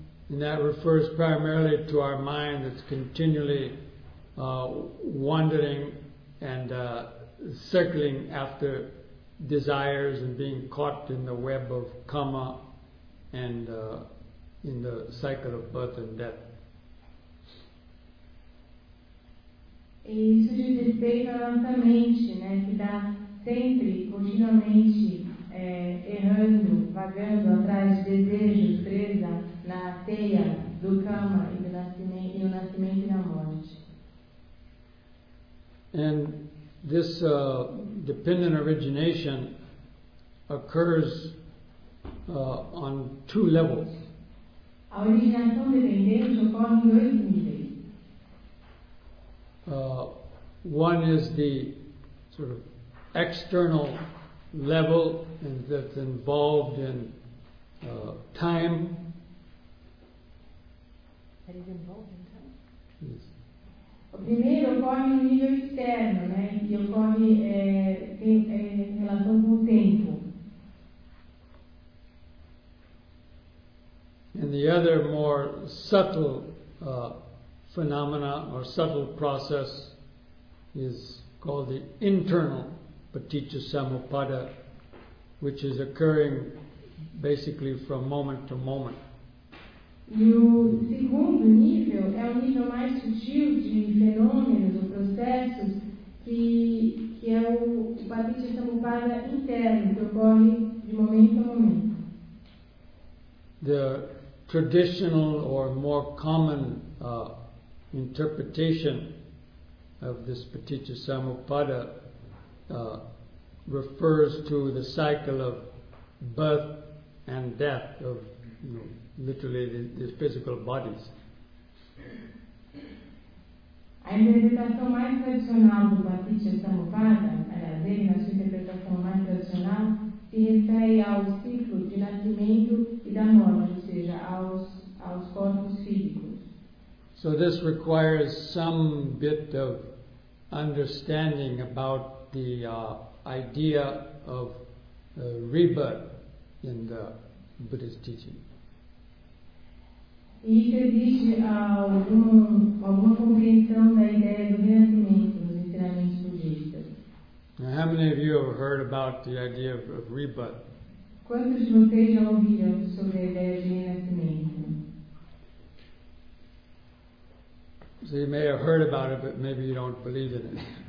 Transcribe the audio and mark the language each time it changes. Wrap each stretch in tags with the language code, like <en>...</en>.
<en>And that refers primarily to our mind that's continually wandering and circling after desires and being caught in the web of karma and in the cycle of birth and death.</en> <pt>E isso diz respeito à nossa mente, né, que está sempre, continuamente, errando, vagando atrás de desejos, presa na teia do karma e do nascimento, e na morte.</pt> <en>And this dependent origination occurs on two levels.</en> <pt>A originação dependente ocorre em dois níveis.</pt> <en>One is the sort of external level and that's involved in time. That is involved in time? Yes.</en> <pt>O primeiro ocorre em nível externo, né? E ocorre em relação com o tempo.</pt> <en>And the other more subtle phenomena or subtle process is called the internal paticca samuppada, which is occurring basically from moment to moment.</en> <pt>E o segundo nível é o nível mais sutil de fenômenos ou processos que é o paticca samuppada interno, que ocorre de momento a momento.</pt> <en>The traditional or more common interpretation of this paticca samuppada refers to the cycle of birth and death of, you know, literally the physical bodies.</en> <pt>A interpretação mais tradicional do paticca samuppada, aliás, na sua interpretação mais tradicional, se refere ao ciclo de nascimento e da morte, ou seja, aos corpos físicos.</pt> <en>So this requires some bit of understanding about the idea of rebirth in the Buddhist teaching.</en> <pt>Isso exige alguma compreensão da ideia do renascimento nos ensinamentos budistas.</pt> <en>Now, how many of you have heard about the idea of rebirth?</en> <pt>Quantos de vocês já ouviram sobre a ideia de renascimento?</pt> <en>So you may have heard about it, but maybe you don't believe in it.</en>